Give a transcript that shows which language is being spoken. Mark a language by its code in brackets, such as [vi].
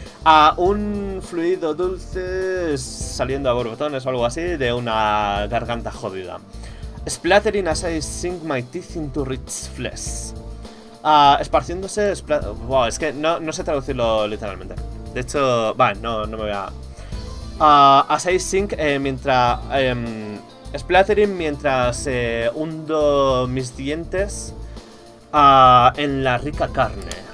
[es] A un fluido dulce saliendo a borbotones o algo así de una garganta jodida. [en] Splattering as I sink my teeth into rich flesh. [es] Esparciéndose. Wow, es que no sé traducirlo literalmente. De hecho, vale, no me voy a. [en] As I sink [es] mientras. Splattering mientras hundo mis dientes en la rica carne.